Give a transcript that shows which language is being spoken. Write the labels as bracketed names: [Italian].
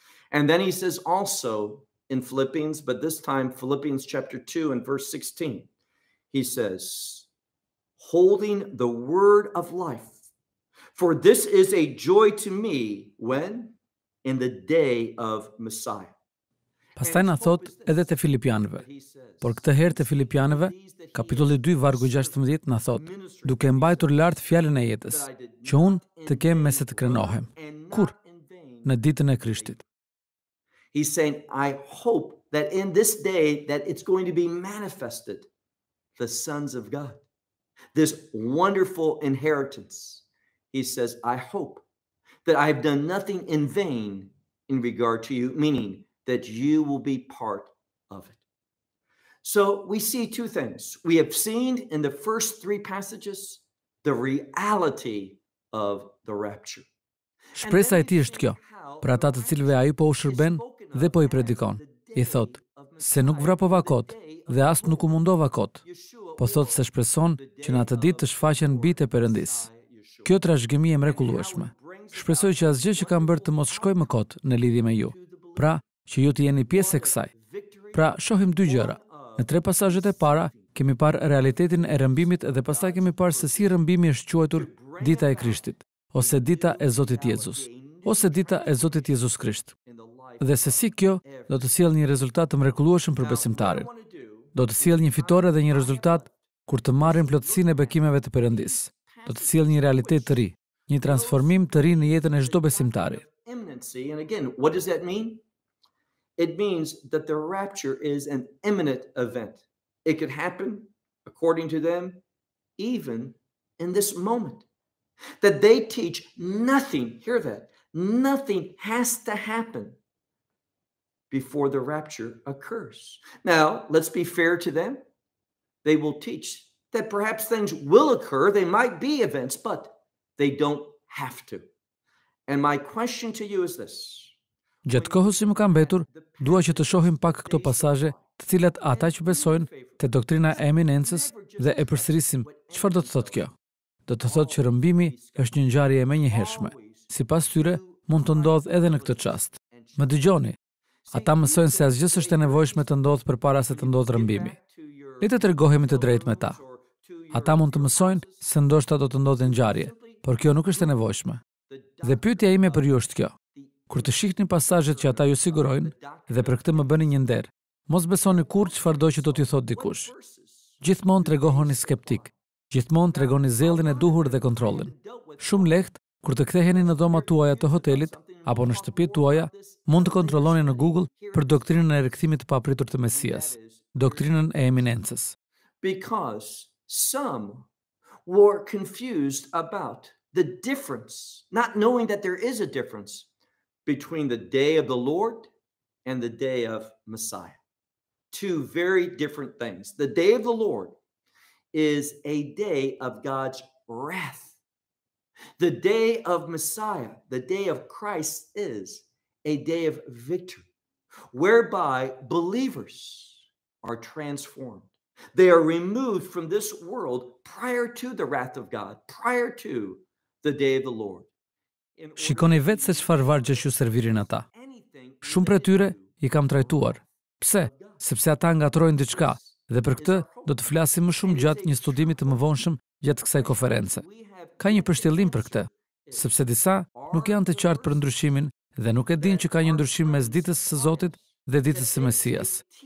[English] And then he says also in Philippians, but this time Philippians chapter 2 and verse 16, he says, holding the word of life, for this is a joy to me, when? In the day of Messiah. [Albanian] Pastaj na thot edhe te Filipianëve. Por këtë herë te Filipianëve, kapitulli 2 vargu 16 na thot, duke mbajtur lart fjalën e jetës, që unë të kem me se të krenohem. Kur? Në ditën e Krishtit. [English] He's saying, I hope that in this day that it's going to be manifested, the sons of God, this wonderful inheritance. He says, I hope that I've done nothing in vain in regard to you, meaning that you will be part of it. So we see two things. We have seen in the first three passages the reality of the rapture. [Albanian] Shpresa e tij është kjo, për ata të cilëve ai po u shërben dhe po i predikon. I thot, se nuk vrapova kot dhe as nuk u mundova kot, po thot se shpreson që në atë ditë të shfaqen bitë e Perëndisë. Kjo trashëgimi e mrekullueshme. Shpresoj që asgjë që kam bërë të mos shkoj më kot në lidhje me ju. Pra, që ju të jeni pjesë e kësaj. Pra, shohim dy gjëra. Në tre pasazhet e para, kemi parë realitetin e rrëmbimit dhe pastaj kemi parë se si rrëmbimi është quajtur dita e Krishtit, ose dita e Zotit Jezus, ose dita e Zotit Jezus Krisht. Dhe se si kjo do të sjellë një rezultat të mrekullueshëm për besimtarin. Do të sjellë një fitore dhe një rezultat kur të marrin plotësinë e bekimeve të Perëndisë. Do të sjellë një realitet të ri, një transformim të ri në jetën e çdo besimtari. [English] And again, what does that mean? It means that the rapture is an imminent event. It could happen, according to them, even in this moment. That they teach nothing, hear that, nothing has to happen before the rapture occurs. Now, let's be fair to them. They will teach that perhaps things will occur, they might be events, but they don't have to. And my question to you is this. [Albanian] Gjatë kohës si më kam betur, dua që të shohim pak këto pasaje të cilat ata që besojnë të doktrina e eminencës dhe e përsërisim, qëfar do të thot kjo? Do të thot që rëmbimi është një ngjarje e menjëhershme. Si pas tyre, mund të ndodhë edhe në këtë qast. Më dëgjoni, ata mësojnë se asgjës është e nevojshme të ndodhë për para se të ndodhë rëmbimi. Le të tregohemi të drejt me ta. Ata mund të mësojnë se ndoshta do të ndodhë ngjarje, por kjo nuk është e nevojshme. Dhe pyetja ime për ju është kjo. Kur të shihni pasazhet që ata ju sigurojnë dhe për këtë më bëni një nder, mos besoni kurrë çfarë do që do t'ju thotë dikush. Gjithmonë tregohoni skeptik, gjithmonë tregoni zellin e duhur dhe kontrollin. Shumë lehtë, kur të ktheheni në dhomat tuaja të hotelit apo në shtëpitë tuaja, mund të kontrolloni në Google për doktrinën e rikthimit të papritur të Mesias, doktrinën e eminencës. [English] Because some were confused about the difference, not knowing that there is a difference between the day of the Lord and the day of Messiah. Two very different things. The day of the Lord is a day of God's wrath. The day of Messiah, the day of Christ, is a day of victory, whereby believers are transformed. They are removed from this world prior to the wrath of God, prior to the day of the Lord. [Albanian] Shikoni vetë se çfarë vargje ju servirin ata. Shumë prej tyre i kam trajtuar. Pse? Sepse ata ngatrojnë diçka, dhe për këtë do të flasim më shumë gjatë një studimi të mëvonshëm gjatë kësaj konference. Ka një përshtjellim për këtë, sepse disa nuk janë të qartë për ndryshimin dhe nuk e dinë që ka një ndryshim mes ditës së Zotit dhe ditës së Mesias.